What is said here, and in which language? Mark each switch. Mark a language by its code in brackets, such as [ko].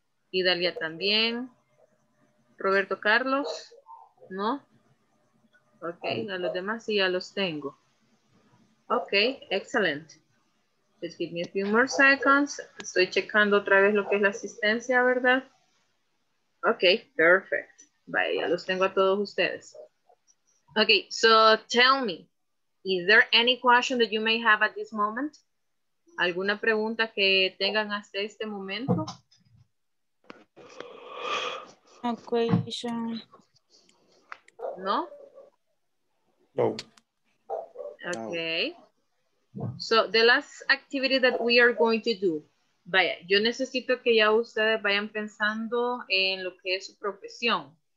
[es] Y Dalia también. Roberto Carlos, no. Ok, a los demás sí ya los tengo. Ok, excelente. [en] Just give me a few more seconds. [es] Estoy checando otra vez lo que es la asistencia, ¿verdad? [en] Ok, perfect. [es] Vaya, ya los tengo a todos ustedes. [en] Ok, so tell me, is there any question that you may have at this moment? [es] ¿Alguna pregunta que tengan hasta este momento? [en] No question. [es] ¿No? No. [en] Ok. So, the last activity that we are going to do. [es] Vaya, yo necesito que ya ustedes vayan pensando en lo que es su profesión.